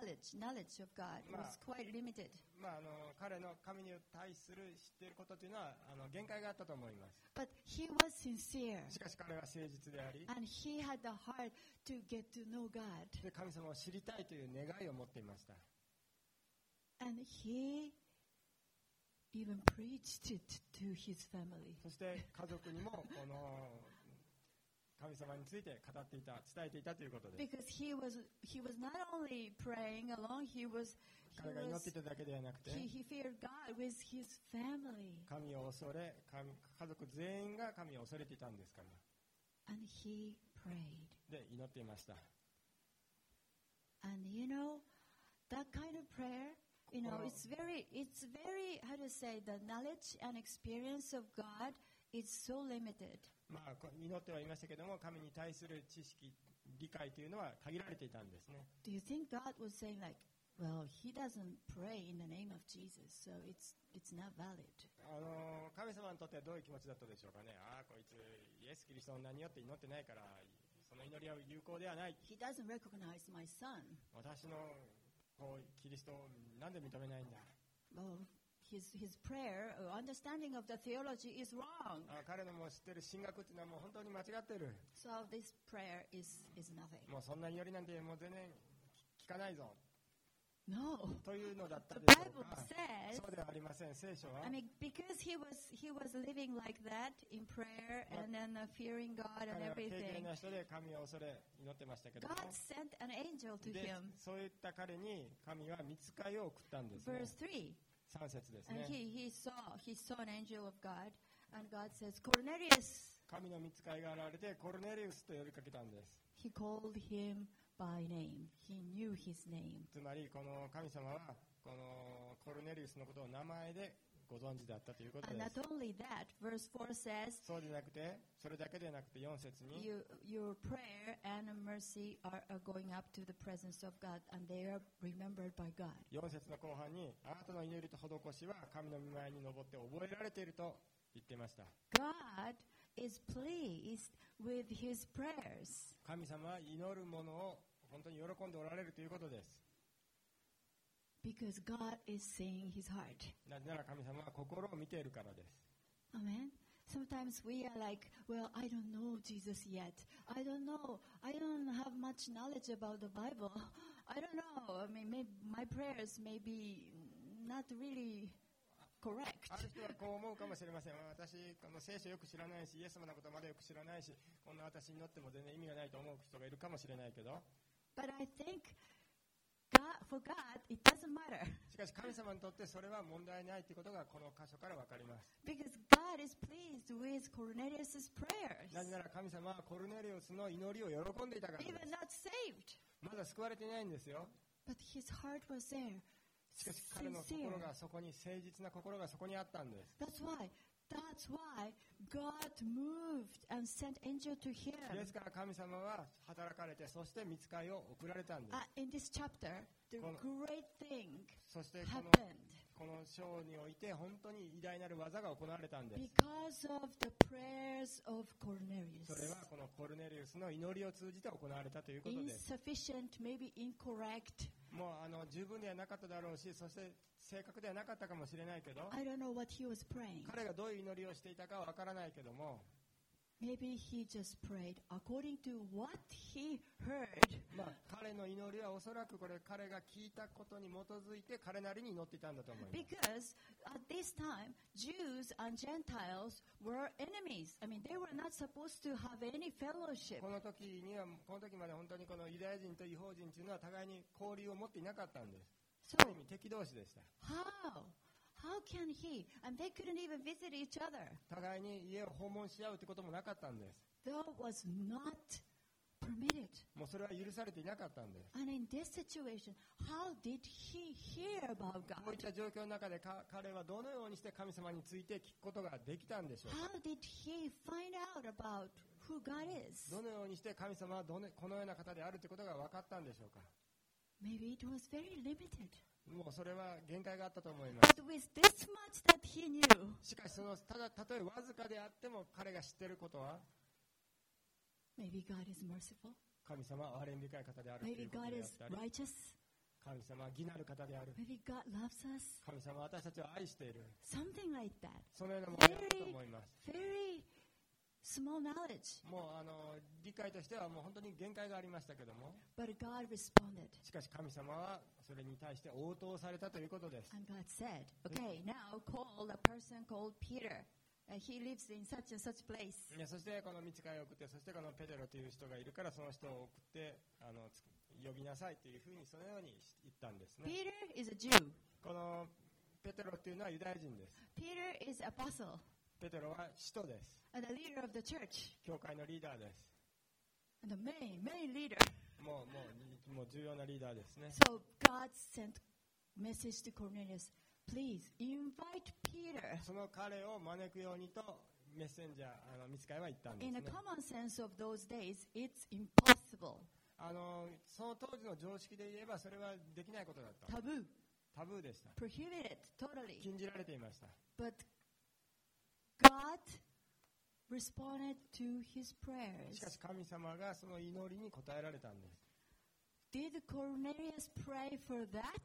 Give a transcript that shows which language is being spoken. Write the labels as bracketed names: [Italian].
[English] Knowledge of God was quite limited. [Japanese] まあ彼の神に対する知っていることというのは限界があったと思います。 [English] But he was sincere. [Japanese] しかし彼は誠実であり。 [English] And he had the heart to get to know God. [Japanese] で神様を知りたいという願いを持っていました。 [English] And he even preached it to his family. [Japanese] そして家族にもこの神様について語っていた、伝えていたということです。 [English] Because he was not only praying alone, he was [Japanese] 彼が祈っていただけではなくて、 [English] he feared God with his family. [Japanese] 神を恐れ、家族全員が神を恐れていたんですから。 [English] And he prayed. [Japanese] で祈っていました。 [English] And you know that kind of prayer, you know, it's very how to say the knowledge and experience of God. It's so limited. [Japanese] まあ祈ってはいましたけども、神に対する知識、理解というのは限られていたんですね。 [English] Do you think God was saying like, well, he doesn't pray in the name of Jesus, so it's not valid? [Japanese] 神様にとってはどういう気持ちだったでしょうかね。ああ、こいつイエスキリストの名によって祈ってないから、その祈りは有効ではない。 [English] He doesn't recognize my son. [Japanese] 私のこうキリストなんで認めないんだ。 [English] Well,His prayer, understanding of the theology is wrong. [Japanese] 彼のもう知ってる神学っていうのはもう本当に間違ってる。 [English] So this prayer is nothing. [Japanese] もうそんな祈りなんてもう全然聞かないぞ。 [English] No. [Japanese] というのだったでしょうか。 [English] Says, [Japanese] そうではありません。聖書は。 [English] I mean, because he was living like that in prayer and then fearing God and everything. [Japanese] 彼は敬虔な人で神を恐れ祈ってましたけども。 [English] God sent an angel to him. [Japanese] そういった彼に神は御使いを送ったんですね。 [English] Verse three. [Japanese] 三節ですね。 [English] And he saw an angel of God, and God says, Cornelius. [Japanese] 神の御使いが現れてコルネリウスと呼びかけたんです。 [English] He called him. By name. He knew his name. [Japanese] つまりこの神様はこのコルネリウスのことを名前でご存知だったということです。 [English] Not only that, verse 4 says, [Japanese] そうじゃなくてそれだけでなくて4節に [English] your prayer and mercy are going up to the presence of God and they are remembered by God. [Japanese] 4節の後半にあなたの祈りと施しは神の御前に上って覚えられていると言っていました。 [English] God is pleased with his prayers. [Japanese] 神様は祈るものを本当に喜んでおられるということです。 [English] Because God is seeing his heart. [Japanese] なぜなら神様は心を見ているからです。 [English] Amen. Sometimes we are like, well, I don't know Jesus yet. I don't know. I don't have much knowledge about the Bible. I don't know. I mean, maybe my prayers may be not really. [Japanese] ある人はこう思うかもしれません。私この聖書よく知らないしイエス様のことまだよく知らないしこんな私に乗っても全然意味がないと思う人がいるかもしれないけど [English] But I think God, for God, it doesn't matter. [Japanese] しかし神様にとってそれは問題ないということがこの箇所からわかります。 [English] Because God is pleased with Cornelius's prayers. [Japanese] なぜなら神様はコルネリウスの祈りを喜んでいたからです。 [English] Even not saved. [Japanese] まだ救われていないんですよ。 [English] But his heart was there. [Japanese] しかし彼の心がそこに誠実な心がそこにあったんです。 [English] That's why God moved and sent angel to him. [Japanese] ですから神様は働かれてそして御使いを送られたんです。 [English] In this chapter, the great thing happened. [Japanese] そしてこの章において本当に偉大なる技が行われたんです。 [English] Because of the prayers of Cornelius. [Japanese] それはこのコルネリウスの祈りを通じて行われたということです。 [English] Insufficient, maybe incorrect. [Japanese] もう十分ではなかっただろうし、そして正確ではなかったかもしれないけど、 [English] I don't know what he was praying. [Japanese] 彼がどういう祈りをしていたかは分からないけども、 [English] Maybe he just prayed according to what he heard. [Japanese] まあ彼の祈りはおそらくこれ彼が聞いたことに基づいて彼なりに祈っていたんだと思います。 [English] Because at this time, Jews and Gentiles were enemies. I mean, they were not supposed to have any fellowship. [Japanese] この時まで本当にこのユダヤ人と異邦人というのは互いに交流を持っていなかったんです。 [English] So, [Japanese] ある意味敵同士でした。 [English] How can he? And they couldn't even visit each other. [Japanese] 互いに家を訪問し合うってこともなかったんです。 [English] That was not permitted. [Japanese] もうそれは許されていなかったんです。 [English] And in this situation, how did he hear about God? [Japanese] こういった状況の中で彼はどのようにして神様について聞くことができたんでしょうか。 [English] How did he find out about who God is? [Japanese] どのようにして神様はこのような方であるということが分かったんでしょうか。 [English] Maybe it was very limited. [Japanese] もうそれは限界があったと思います。しかしその、ただ、たとえわずかであっても彼が知っていることは、 [English] Maybe God is merciful. [Japanese] 神様は憐れみ深い方であるということであったり、 [English] Maybe God is righteous. [Japanese] 神様は義なる方である。 [English] Maybe God loves us. [Japanese] 神様は私たちを愛している。 [English] Something like that. [Japanese] そのようなものだと思います。 [English] Small knowledge. [Japanese] もう理解としてはもう本当に限界がありましたけども。 [English] But God responded. [Japanese] しかし神様はそれに対して応答されたということです。 [English] And God said, "Okay, now call a person called Peter. He lives in such and such place." [Japanese] そしてこの御使いを送って、そしてこのペテロという人がいるからその人を送って呼びなさいというふうにそのように言ったんですね。 [English] Peter is a Jew. [Japanese] このペテロというのはユダヤ人です。 [English] Peter is an apostle. [Japanese] ペテロは使徒です。 [English] And the leader of the church. [Japanese] 教会のリーダーです。 [English] And the main leader. [Japanese] もう重要なリーダーですね。 [English] So God sent message to Cornelius. Please invite Peter. [Japanese] その彼を招くようにとメッセンジャー、御使いは言ったんですね。 [English] In a common sense of those days, it's impossible. [Japanese] その当時の常識で言えばそれはできないことだった。タブーでした。 [English] Prohibited totally. [Japanese] 禁じられていました。 [English] ButGod responded to his prayers. [Japanese] しかし神様がその祈りに応えられたんです。 [English] Did Cornelius pray for that?